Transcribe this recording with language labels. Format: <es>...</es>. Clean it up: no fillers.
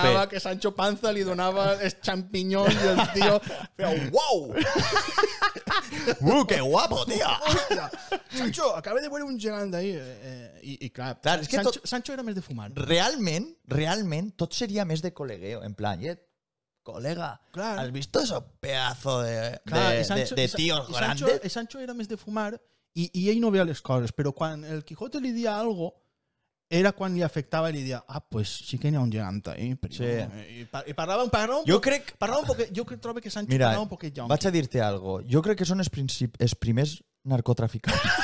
<ca>Anava que Sancho Panza li donava els xampinyons i el tio feia un wow! Que guapo, tio! Sancho, acaba de veure un gegant d'ahí. I clar, és que Sancho era més de fumar. Realment, tot seria més de col·legueo. En plan, col·lega, clar.</ca> <es>Has visto eso pedazo de tío grande?</es> <ca>Sancho era més de fumar i ell no veia les coses, però quan el Quijote li dia algo, era quan li afectava i li dia, pues sí que n'hi ha un gegant ahí. Sí. I parlava un poc, jo trobo que Sancho parlava un poquet jonqui. Vaig a dir-te algo, jo crec que són els primers narcotraficants.</ca>